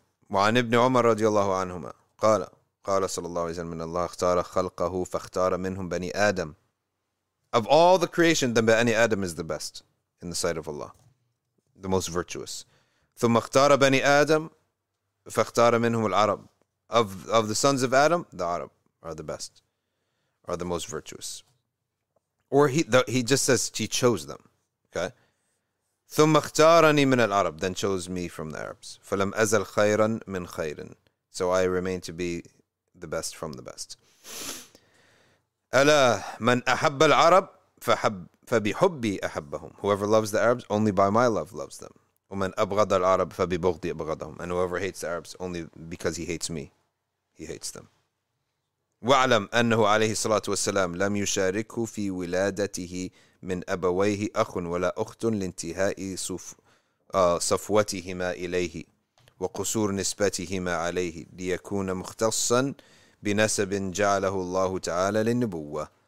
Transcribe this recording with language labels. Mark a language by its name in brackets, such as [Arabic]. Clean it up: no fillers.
[Arabic] وعن ابن عمر رضي الله عنهما قال قال صلى الله عليه وسلم إن الله اختار خلقه فاختار منهم بني آدم. [English] Of all the creation, the بني آدم is the best in the sight of Allah, the most virtuous. [Arabic] ثم اختار بني آدم فاختار منهم العرب. [English] Of the sons of Adam, the Arab are the best, are the most virtuous. Or he just says he chose them. Okay. [Arabic] ثم اختارني من العرب, [English] then chose me from the Arabs. [Arabic] فلم أزل خيرا من خير. [English] So I remain to be the best from the best. [Arabic] ألا من أحب العرب فبحبي أحبهم. [English] Whoever loves the Arabs, only by my love loves them. [Arabic] ومن أبغض العرب فببغضي أبغضهم. [English] And whoever hates the Arabs, only because he hates me, he hates them. [Arabic] وَعْلَمْ أَنَّهُ عَلَيْهِ الصَّلَاةُ وَالسَّلَامُ لَمْ يُشَارِكُهُ فِي وِلَادَتِهِ مِنْ أَبَوَيْهِ أَخٌ وَلَا أُخْتٌ لِانْتِهَاءِ صَفْوَتِهِمَا إِلَيْهِ وَقُصُورِ نِسْبَتِهِمَا عَلَيْهِ لِيَكُونَ مُخْتَصًّا بِنَسَبٍ جَعَلَهُ اللَّهُ تَعَالَى لِلنُّبُوَّةِ.